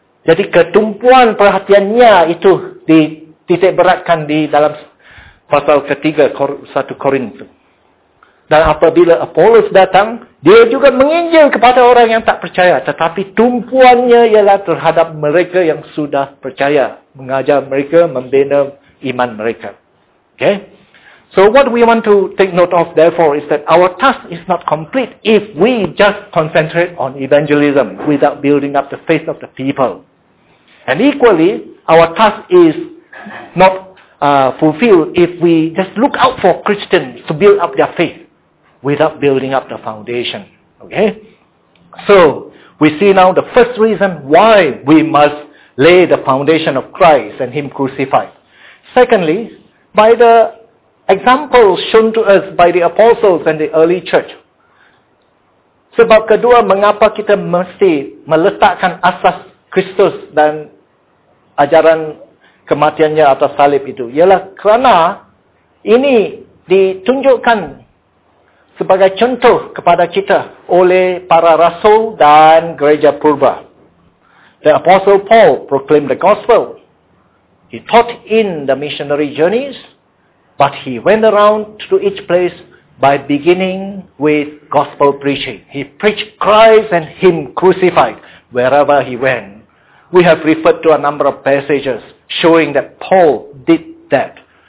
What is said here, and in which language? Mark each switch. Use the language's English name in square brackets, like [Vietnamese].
[Malay] Jadi ketumpuan perhatiannya itu dititikberatkan di dalam pasal ketiga 1 Korintus. Dan apabila Apolos datang, dia juga menginjil kepada orang yang tak percaya. Tetapi tumpuannya ialah terhadap mereka yang sudah percaya. Mengajar mereka, membina iman mereka. Okay? [English] So what we want to take note of therefore is that our task is not complete if we just concentrate on evangelism without building up the faith of the people. And equally, our task is not fulfilled if we just look out for Christians to build up their faith without building up the foundation. Okay? So, we see now the first reason why we must lay the foundation of Christ and Him crucified. Secondly, by the examples shown to us by the apostles and the early church. [Malay] Sebab kedua, mengapa kita mesti meletakkan asas Kristus dan ajaran kematiannya atau salib itu? Ialah kerana ini ditunjukkan sebagai contoh kepada kita oleh para rasul dan gereja purba. [English] The Apostle Paul proclaimed the gospel. He taught in the missionary journeys, but he went around to each place by beginning with gospel preaching. He preached Christ and Him crucified wherever he went. We have referred to a number of passages showing that Paul did that.